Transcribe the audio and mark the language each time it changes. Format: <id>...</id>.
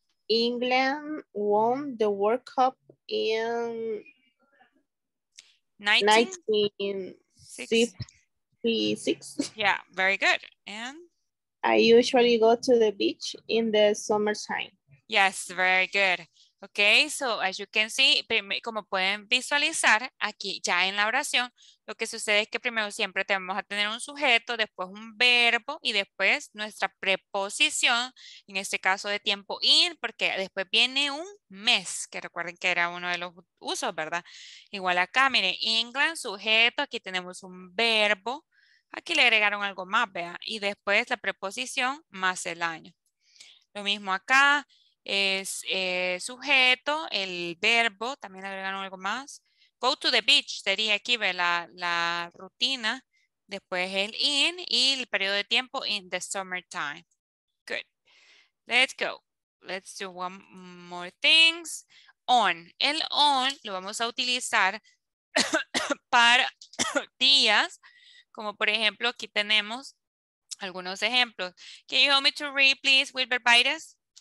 <en>England won the World Cup in 1966. Yeah, very good. And I usually go to the beach in the summertime. Yes, very good. Okay, so as you can see,</en> <es>como pueden visualizar aquí ya en la oración, lo que sucede es que primero siempre tenemos a tener un sujeto, después un verbo y después nuestra preposición, en este caso de tiempo in, porque después viene un mes, que recuerden que era uno de los usos, ¿verdad? Igual acá, mire, England, sujeto, aquí tenemos un verbo, aquí le agregaron algo más, vea, y después la preposición más el año. Lo mismo acá. Es sujeto, el verbo, también agregaron algo más.</es> <en>Go to the beach,</en> <es>sería aquí la rutina. Después el in y el periodo de tiempo</es> <en>in the summertime. Good. Let's go. Let's do one more things. On.</en> <es>El on lo vamos a utilizar para días. Como por ejemplo, aquí tenemos algunos ejemplos.</es> <en>Can you help me to read, please, Wilbur Baires?</en>